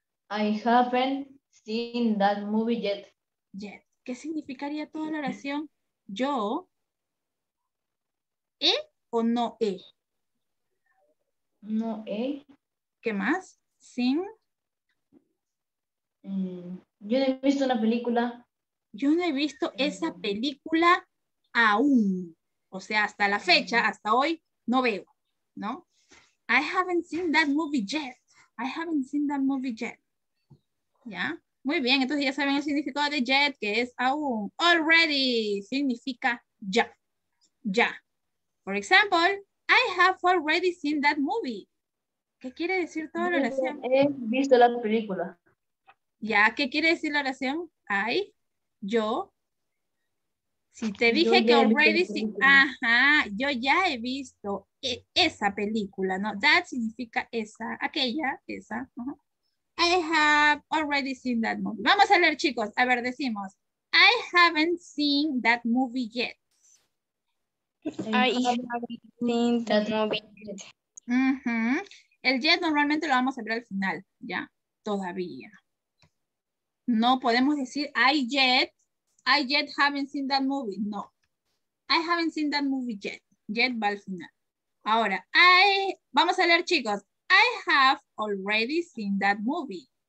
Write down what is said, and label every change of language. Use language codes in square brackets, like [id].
[en] I haven't seen that movie yet. Yet. [es] ¿Qué significaría toda la oración? ¿Yo? ¿He o no he? No, ¿eh? ¿Qué más? ¿Sin? Yo he visto una película. Yo no he visto esa película aún. O sea, hasta la fecha, hasta hoy, no veo, ¿no? [en] I haven't seen that movie yet. I haven't seen that movie yet. [es] ¿Ya? Muy bien, entonces ya saben el significado de yet, que es aún. Already significa ya. Ya. [en] For example, I have already seen that movie. [es] ¿Qué quiere decir toda la oración? He visto la película. Ya, ¿qué quiere decir la oración? I, yo. Si te dije yo que [en] already seen, [es] ajá, yo ya he visto esa película, ¿no? That significa esa, aquella, esa. Uh-huh. [en] I have already seen that movie. [es] Vamos a leer, chicos. A ver, decimos. [en] I haven't seen that movie yet. I haven't seen that movie yet. Uh-huh. [es] El yet normalmente lo vamos a ver al final, ¿ya? Todavía. No podemos decir [en] I yet haven't seen that movie. [es] No. [en] I haven't seen that movie yet. [es] Yet va al final. Ahora, vamos a leer, chicos. [en] I have already seen that movie.